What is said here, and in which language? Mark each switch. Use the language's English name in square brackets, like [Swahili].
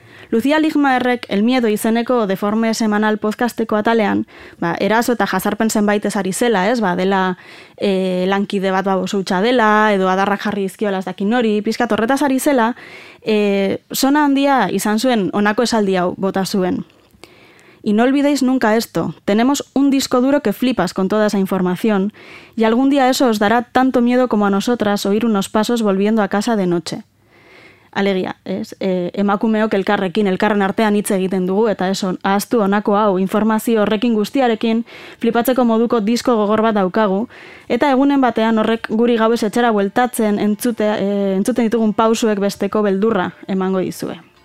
[Basque] Lucía Ligmaerrek El Miedo izeneko deforme semanal podcasteko atalean, ba, eraso eta jazarpen zenbait ezari zela, ez, ba, dela lankide bat babo zutxa dela, edo adarrak jarri izkiola ez dakin nori, pizkat horretaz ari zela, sona handia izan zuen honako esaldi hau bota zuen. [Spanish] Y no olvidéis nunca esto, tenemos un disco duro que flipas con toda esa información, y algún día eso os dará tanto miedo como a nosotras oír unos pasos volviendo a casa de noche. [Basque] Alegia, ez? Emakumeok elkarrekin, elkarren artean hitz egiten dugu, eta ez ahaztu honako hau, informazio horrekin guztiarekin flipatzeko moduko disko gogor bat daukagu, eta egunen batean horrek guri gauez etxera bueltatzen entzuten ditugun pausuek besteko beldurra emango dizue.